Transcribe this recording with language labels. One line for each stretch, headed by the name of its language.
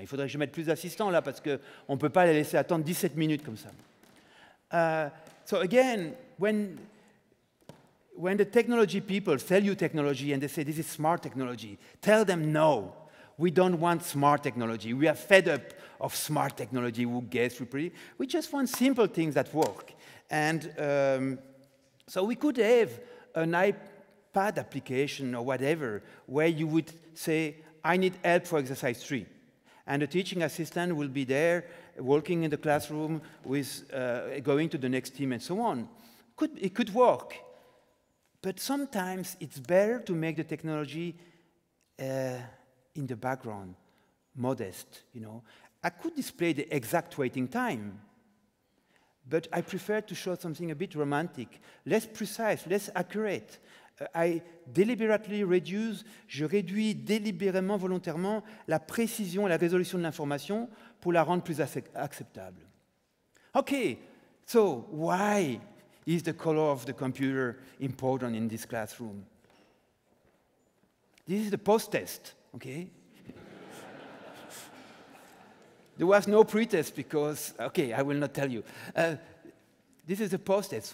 French: Il faudrait que je mette plus d'assistants là, parce qu'on ne peut pas les laisser attendre 17 minutes comme ça.
English: So again, when the technology people sell you technology and they say, this is smart technology, tell them no. We don't want smart technology. We are fed up of smart technology. We guess, we pretty. We just want simple things that work. And so we could have an iPad application or whatever where you would say, I need help for exercise 3. And the teaching assistant will be there working in the classroom with going to the next team and so on. It could work. But sometimes it's better to make the technology in the background, modest, you know. I could display the exact waiting time, but I prefer to show something a bit romantic, less precise, less accurate. I deliberately reduce,
French: je réduis délibérément, volontairement, la précision et la résolution de l'information pour la rendre plus acceptable.
English: Okay, so why is the color of the computer important in this classroom? This is the post-test, okay? There was no pretest because, okay, I will not tell you. This is the post-test.